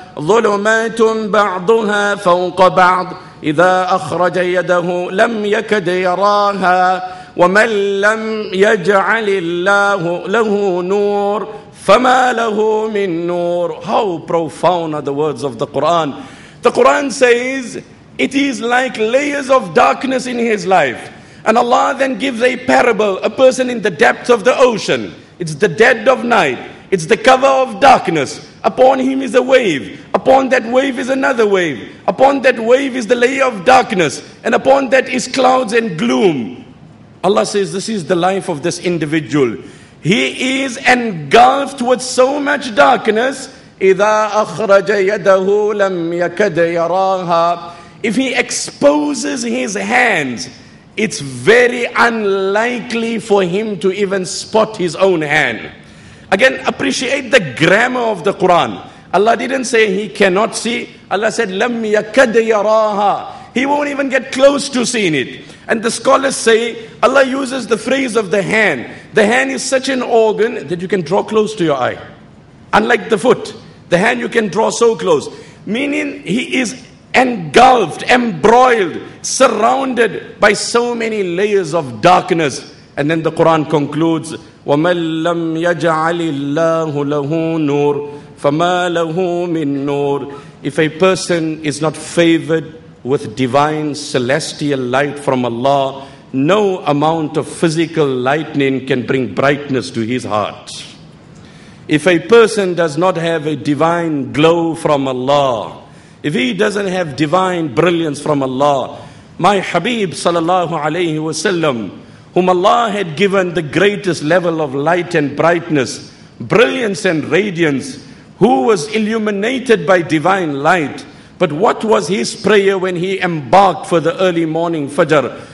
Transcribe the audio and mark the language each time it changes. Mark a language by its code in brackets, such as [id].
[ar] ظلمات بعضها فوق بعض إذا أخرج يده لم يكد يراها ومن لم يجعل الله له نور فما له من نور. [en] How profound are the words of the Quran. The Quran says it is like layers of darkness in his life. And Allah then gives a parable, a person in the depths of the ocean. It's the dead of night. It's the cover of darkness. Upon him is a wave. Upon that wave is another wave. Upon that wave is the layer of darkness. And upon that is clouds and gloom. Allah says this is the life of this individual. He is engulfed with so much darkness. [ar] إِذَا أَخْرَجَ يَدَهُ لَمْ يَكَدْ يَرَاهَا. [en] If he exposes his hands, it's very unlikely for him to even spot his own hand. Again, appreciate the grammar of the Quran. Allah didn't say he cannot see. Allah said, [ar] لَمْ يَكَدْ يَرَاهَا. [en] He won't even get close to seeing it. And the scholars say, Allah uses the phrase of the hand. The hand is such an organ that you can draw close to your eye. Unlike the foot, the hand you can draw so close. Meaning he is engulfed, embroiled, surrounded by so many layers of darkness. And then the Quran concludes, [ar] وَمَنْ لَمْ يَجْعَلِ اللَّهُ لَهُ نُورٌ فَمَا لَهُ مِنْ نُورٌ. [en] If a person is not favored with divine celestial light from Allah, no amount of physical lightning can bring brightness to his heart. If a person does not have a divine glow from Allah, if he doesn't have divine brilliance from Allah, my Habib sallallahu alayhi wasallam, whom Allah had given the greatest level of light and brightness, brilliance and radiance, who was illuminated by divine light, but what was his prayer when he embarked for the early morning fajr?